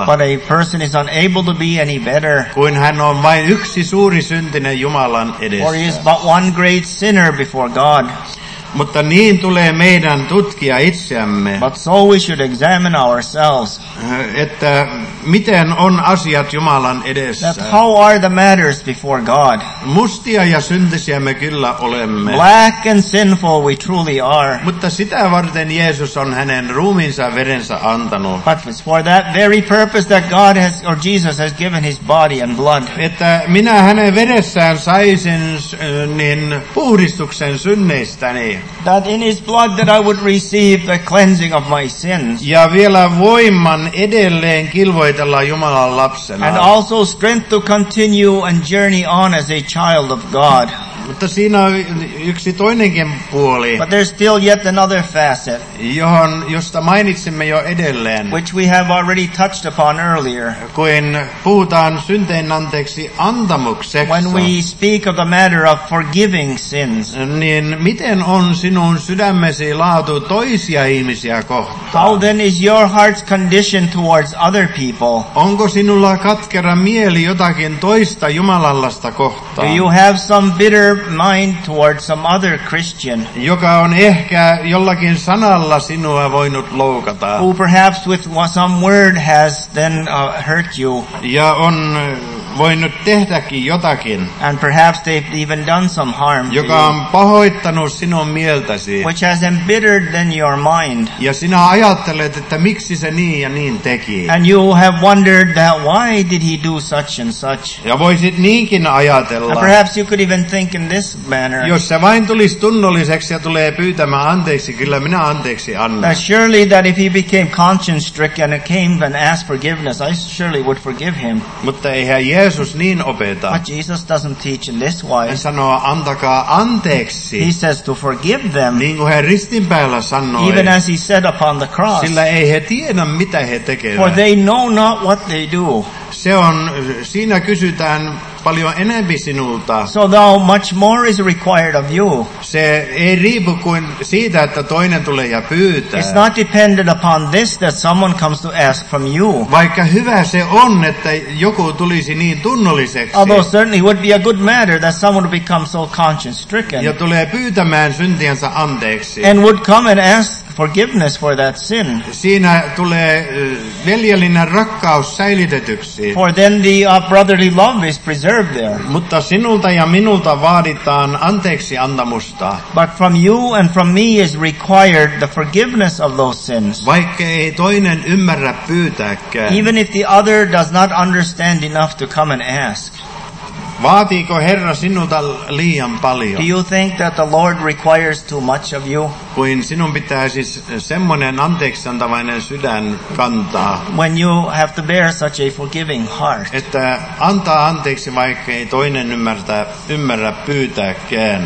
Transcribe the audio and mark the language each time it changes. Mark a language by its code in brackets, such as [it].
[en] But a person is unable to be any better. [fi] Kuin hän on vain yksi suuri syntinen Jumalan edessä. [en] Or he is but one great sinner before God. [fi] Mutta niin tulee meidän tutkia itseämme. [en] But so we should examine ourselves. [fi] Että miten on asiat Jumalan edessä. [en] That how are the matters before God. [fi] Mustia ja syntisiä me kyllä olemme. [en] Black and sinful we truly are. [fi] Mutta sitä varten Jeesus on hänen ruumiinsa verensä antanut. [en] But it's for that very purpose that God has, or Jesus has given his body and blood. [fi] Että minä hänen veressään saisin niin puhdistuksen synneistäni. [en] That in his blood that I would receive the cleansing of my sins. [fi] Ja vielä voiman edelleen kilvoitella Jumalan lapsena. [en] And also strength to continue and journey on as a child of God. [fi] Mutta siinä on yksi toinenkin puoli. [en] But there's still yet another facet. [fi] Josta mainitsimme jo edelleen. [en] Which we have already touched upon earlier. [fi] Kun puhutaan synteen anteeksi antamuksesta. [en] When we speak of the matter of forgiving sins. [fi] Niin miten on sinun sydämesi laatu toisia ihmisiä kohtaan? [en] How then is your heart's condition towards other people? [fi] Onko sinulla katkera mieli jotakin toista jumalallasta kohtaan? [en] Do you have some bitter mind towards some other Christian? [fi] Joka on ehkä jollakin sanalla sinua voinut loukata. [en] Who perhaps with some word has then hurt you? [fi] Ja on voinut tehdäkin jotakin. [en] And perhaps they've even done some harm. [fi] Joka on pahoittanut sinun mieltäsi. [en] Which has embittered then your mind. [fi] Ja sinä ajattelet, että miksi se niin ja niin teki. [en] And you have wondered that why did he do such and such. [fi] Ja voisit niinkin ajatella. [en] And perhaps you could even think in this manner. [fi] Jos se vain tulisi tunnolliseksi ja tulee pyytämään anteeksi, kyllä minä anteeksi annan. [en] That surely that if he became conscience stricken and came and asked forgiveness, I surely would forgive him. [fi] Mutta eihän Jeesus niin opeta. [en] But Jesus doesn't teach in this way. [fi] Hän sanoo, antakaa anteeksi. [en] He says to forgive them. [fi] Niin kuin hän ristin päällä sanoi. [en] Even as he said upon the cross. [fi] Sillä ei he tiedä, mitä he tekevät. [en] For they know not what they do. [fi] Se on, siinä kysytään paljon enemmän sinulta. [en] So now much more is required of you. [fi] Se ei riipu kuin siitä, että toinen tulee ja pyytää. [en] It's not dependent upon this that someone comes to ask from you. [fi] Vaikka hyvä se on, että joku tulisi niin tunnolliseksi. [en] Although certainly would be a good matter that someone would become so conscience stricken. [fi] Ja tulee pyytämään syntiensä anteeksi. [en] And would come and ask forgiveness for that sin. [fi] Siinä tulee veljellinen rakkaus säilytetyksi. [en] For then the brotherly love is preserved there. [fi] Mutta sinulta ja minulta vaaditaan anteeksi antamusta. [en] But from you and from me is required the forgiveness of those sins. [fi] Vaikka ei toinen ymmärrä pyytääkään. [en] Even if the other does not understand enough to come and ask. [fi] Vaatiiko Herra sinulta liian paljon? [en] Do you think that the Lord requires too much of you? [fi] Kuin sinun pitäisi semmoinen anteeksiantavainen sydän kantaa. [en] When you have to bear such a forgiving heart. [fi] Että antaa anteeksi, vaikka ei toinen ymmärrä pyytääkään.